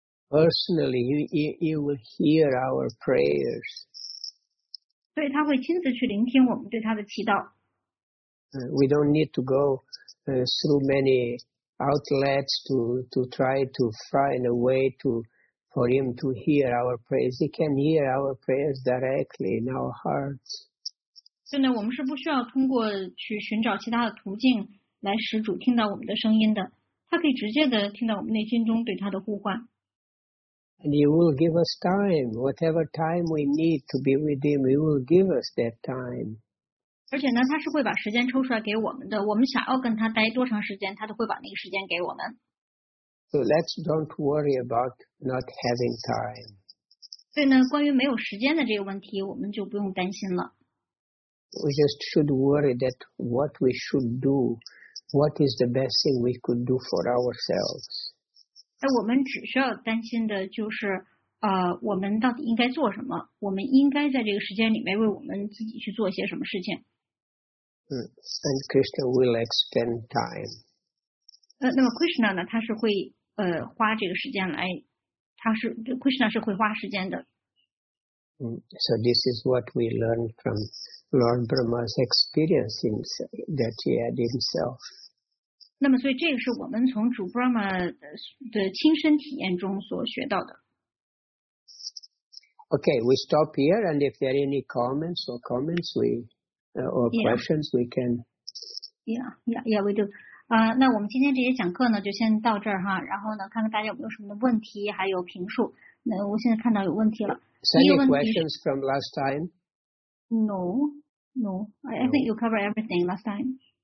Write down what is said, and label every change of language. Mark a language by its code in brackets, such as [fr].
[en] Personally, he will hear our prayers. [zh] 所以他会亲自去聆听我们对他的祈祷。 [en] We don't need to go through many outlets to try to find a way for him to hear our prayers. He can hear our prayers directly in our hearts. [zh] 所以呢，我们是不需要通过去寻找其他的途径来使主听到我们的声音的。他可以直接的听到我们内心中对他的呼唤。 [en] And he will give us time, whatever time we need to be with him, he will give us that time. [zh] 而且呢，他是会把时间抽出来给我们的。我们想要跟他待多长时间，他都会把那个时间给我们。 [en] So let's don't worry about not having time. [zh] 所以呢，关于没有时间的这个问题，我们就不用担心了。 [en] We just should worry that what we should do, what is the best thing we could do for ourselves. [zh] 那我们只需要担心的就是，我们到底应该做什么？我们应该在这个时间里面为我们自己去做一些什么事情？ [en] And Krishna will extend time. [zh] 那么 Krishna 呢，他是会花这个时间来，他是 Krishna 是会花时间的。 [en] So this is what we learn from Lord Brahma's experience that he had himself. [zh] 那么所以这个是我们从主 Brahma 的亲身体验中所学到的。 [en] Okay, we stop here, and if there are any comments or questions, we can. Yeah, we do. [zh] 那我们今天这些讲课呢，就先到这儿哈。然后呢，看看大家有没有什么问题，还有评述。那我现在看到有问题了。 [en] Any questions from last time? No. I think you covered everything last time.